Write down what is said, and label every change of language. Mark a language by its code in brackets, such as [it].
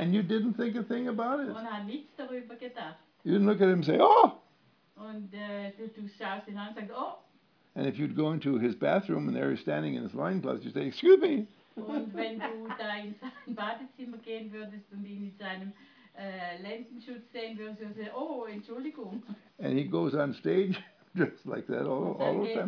[en] And you didn't think a thing about it. [de] Und hat nichts darüber gedacht. [en] You didn't look at him and say, oh! [de] Und du schaust ihn an und sagst, oh! [en] And if you'd go into his bathroom and there he's standing in his line closet, you'd say, excuse me. [de] Und wenn du da in sein Badezimmer gehen würdest und ihn in seinem Lendenschutz sehen würdest, würdest du sagen, oh, Entschuldigung. [en] And he goes on stage just like that all the time.